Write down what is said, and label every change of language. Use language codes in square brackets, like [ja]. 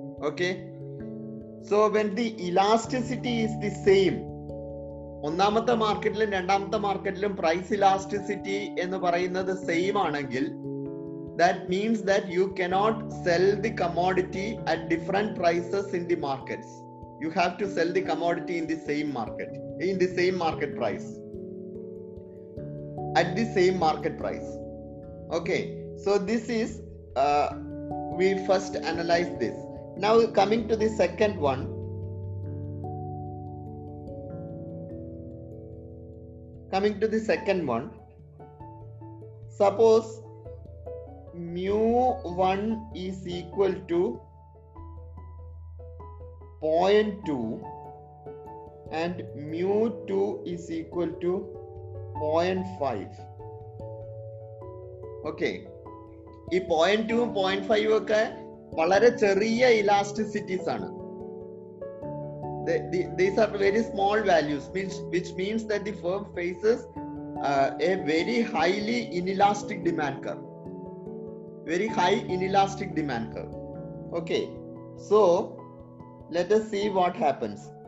[en] okay, so when the elasticity is the same, [ml] ഒന്നാമത്തെ മാർക്കറ്റിലും രണ്ടാമത്തെ മാർക്കറ്റിലും price elasticity എന്ന് പറയുന്നത് സെയിം ആണെങ്കിൽ, [en] that means that you cannot sell the commodity at different prices in the markets. You have to sell the commodity in the same market, in the same market price, at the same market price. Okay, so this is we first analyze this. Now coming to the second one, suppose mu1 is equal to 0.2 and mu2 is equal to 0.5. [ml] okay, ഈ 0.2 ഉം 0.5 ഉം ഒക്കെ വളരെ ചെറിയ elasticities ആണ്. [en] These are very small values, which means that the firm faces a very highly inelastic demand curve. Very high inelastic demand curve. Okay, so let us see what happens.